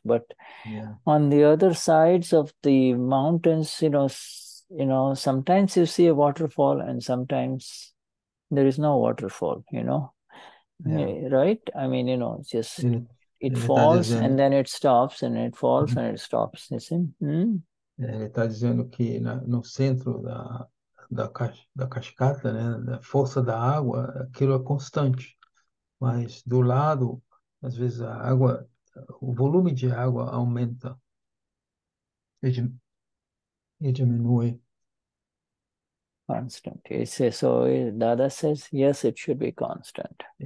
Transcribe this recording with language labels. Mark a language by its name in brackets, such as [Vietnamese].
[English] But on the other sides of the mountains, you know, sometimes you see a waterfall and sometimes there is no waterfall, you know. Right? I mean, you know, just it falls and then it stops and it falls and it stops. You see? [Portuguese] Ele está dizendo que no centro da cascata, né, da força da água, aquilo é constante. Mas do lado, às vezes a água, o volume de água aumenta e diminui. [English] Constant. So Dada says, yes, it should be constant.